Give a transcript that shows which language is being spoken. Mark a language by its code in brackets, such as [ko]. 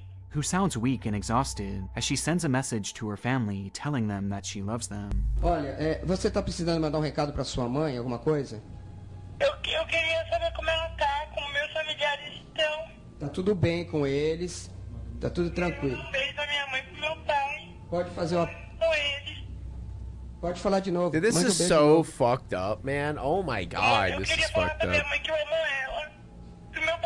[en] Who sounds weak and exhausted as she sends a message to her family telling them that she loves them. [pt] Olha, você tá precisando mandar um recado pra sua mãe, alguma coisa? Eu queria saber como ela tá, como meus familiares estão. Tá tudo bem com eles, tá tudo tranquilo. Um beijo da minha mãe pro meu pai. Pode fazer uma... Com eles. Pode falar de novo. [en] Dude, this is so fucked up, man. Oh my god, this is fucked up. [pt] Eu queria falar pra minha mãe que eu amo ela. Do